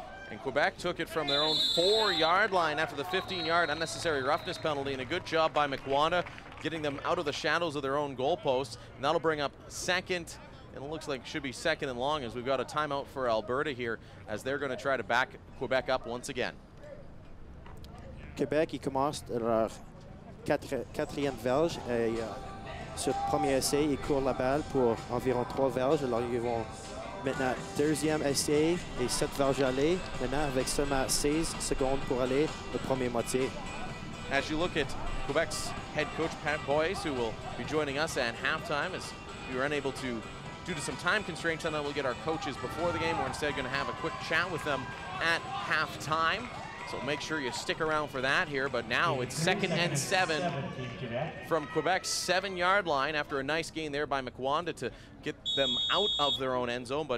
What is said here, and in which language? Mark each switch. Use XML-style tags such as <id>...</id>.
<en>And Quebec took it from their own 4-yard line after the 15-yard unnecessary roughness penalty, and a good job by McWanda getting them out of the shadows of their own goalposts. And that'll bring up second, and it looks like it should be second and long, as we've got a timeout for Alberta here as they're going to try to back Quebec up once again.</en> <fr>Quebec, ils commencent leur quatrième verge et sur premier essai, ils courent la balle pour environ 3 verges. Alors ils vont maintenant deuxième essai et 7 verges aller. Maintenant avec seulement 16 secondes pour aller le premier moitié.</fr> <en>As you look at Quebec's head coach Pat Boyce, who will be joining us at halftime, as we were unable to due to some time constraints on that, we'll get our coaches before the game. We're instead going to have a quick chat with them at halftime. So make sure you stick around for that here. But now it's 2nd and 7 from Quebec's 7-yard line after a nice gain there by McWanda to get them out of their own end zone.</en>